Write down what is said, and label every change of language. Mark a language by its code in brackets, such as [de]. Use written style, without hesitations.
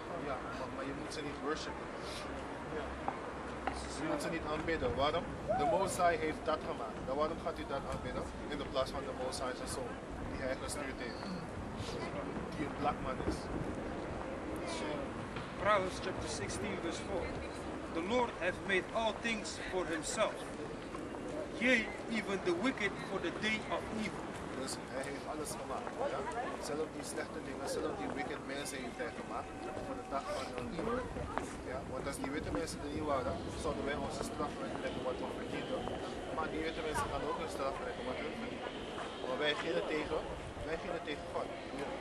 [nl] Ja, maar je moet ze niet worshipen. Ja. Je moet ze niet aanbidden. Waarom? De Most High heeft dat gemaakt. Dan waarom gaat u dat aanbidden? In de plaats van de Most High zijn zoon, die hij gestuurd heeft, die een black man is. [en] Proverbs chapter 16 verse 4. The Lord hath made all things for himself, yea, even the wicked for the day of evil. [nl] Dus hij heeft alles gemaakt, ja? Zelf die slechte dingen, zelf die wicked mensen heeft hij gemaakt voor de dag van hun leven. Ja, want als die witte mensen er niet waren, zouden wij onze straf uitleggen wat we verdienen. Maar die witte mensen gaan ook hun straf uitleggen wat hun verdienen. Maar wij gingen tegen God. Ja.